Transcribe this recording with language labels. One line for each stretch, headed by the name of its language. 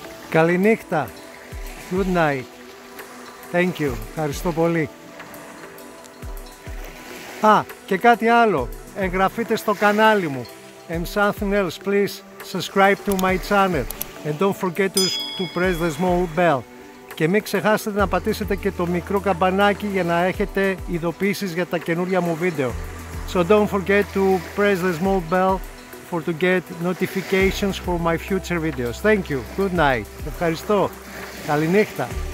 Greek: Καληνύχτα.
English: Good night. Thank you.
Greek: Ευχαριστώ πολύ. Α, και κάτι άλλο. Εγγραφείτε στο κανάλι μου.
English: And something else, please subscribe to my channel. And don't forget to press the small bell.
Greek: Και μην ξεχάσετε να πατήσετε και το μικρό καμπανάκι για να έχετε ειδοποιήσεις για τα καινούργια μου βίντεο.
English: So don't forget to press the small bell for to get notifications for my future videos. Thank you. Good night.
Greek: Ευχαριστώ. Καληνύχτα.